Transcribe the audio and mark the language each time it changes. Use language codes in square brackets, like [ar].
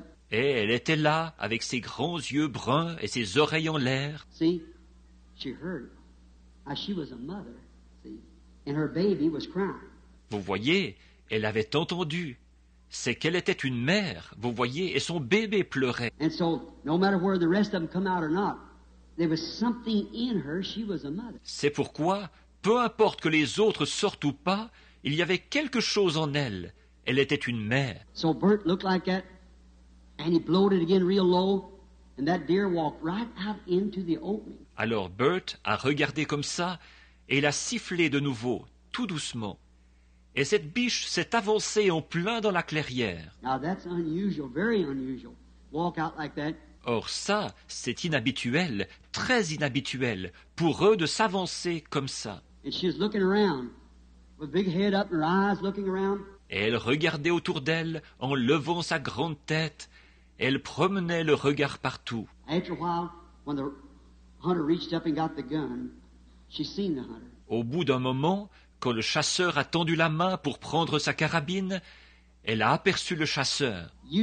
[fr] Et elle était là, avec ses grands yeux bruns et ses oreilles en l'air. [en] See, she heard how she was a mother, see, and her baby was crying. [fr] Vous voyez, elle avait entendu. C'est qu'elle était une mère, vous voyez, et son bébé pleurait. [en] And so, no matter where the rest of them come out or not, there was something in her, she was a mother. [fr] C'est pourquoi, peu importe que les autres sortent ou pas, il y avait quelque chose en elle. Elle était une mère. [en] So Bert looked like that, and he blowed it again real low, and that deer walked right out into the opening. [fr] Alors Bert a regardé comme ça, et il a sifflé de nouveau, tout doucement. Et cette biche s'est avancée en plein dans la clairière. [en] Now that's unusual, very unusual. Walk out like that. [fr] Or ça, c'est inhabituel, très inhabituel, pour eux de s'avancer comme ça. [en] And she's looking around, with big head up, her eyes looking around. [fr] Et elle regardait autour d'elle en levant sa grande tête. Elle promenait le regard partout. [en] After a while, when the hunter reached up and got the gun, she seen the hunter. [fr] Au bout d'un moment, quand le chasseur a tendu la main pour prendre sa carabine, elle a aperçu le chasseur.